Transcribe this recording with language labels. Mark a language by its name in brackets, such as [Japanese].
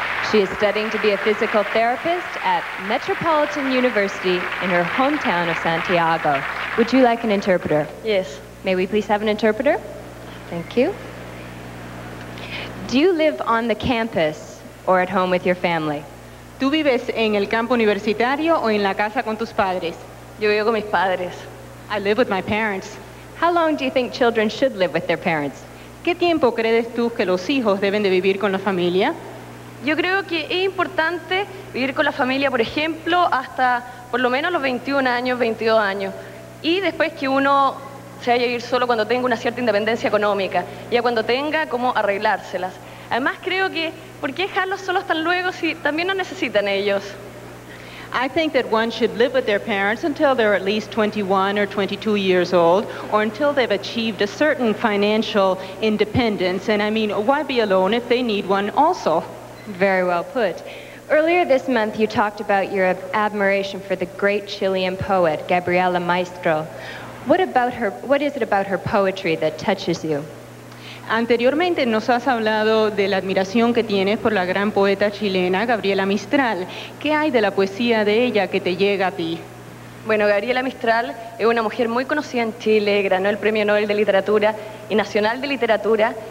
[English] She is studying to be a physical therapist at Metropolitan University in her hometown of Santiago. Would you like an interpreter? Yes. May we please have an interpreter? Thank you. Do you live on the campus or at home with your family? [Spanish] ¿Tú vives en el campo universitario o en la casa con tus padres? Yo vivo con mis padres. [English] I live with my parents. How long do you think children should live with their parents? [Spanish] ¿Qué tiempo crees tú que los hijos deben de vivir con la familia? Yo creo que es importante vivir con la familia, por ejemplo, hasta por lo menos los 21 años, 22 años. Y después que uno se vaya a ir solo cuando tenga una cierta independencia económica, ya cuando tenga cómo arreglárselas. Además, creo que, ¿por qué dejarlos solos tan luego si también no necesitan ellos? [English] I think that one should live with their parents until they're at least 21 or 22 years old, or until they've achieved a certain financial independence. And I mean, why be alone if they need one also? Very well put. Earlier this month, you talked about your admiration for the great Chilean poet, Gabriela Mistral. What about her? What is it about her poetry that touches you? [Spanish] Anteriormente nos has hablado de la admiración que tienes por la gran poeta chilena, Gabriela Mistral. ¿Qué hay de la poesía de ella que te llega a ti? Bueno, Gabriela Mistral es una mujer muy conocida en Chile, ganó el Premio Nobel de Literatura y Nacional de Literatura.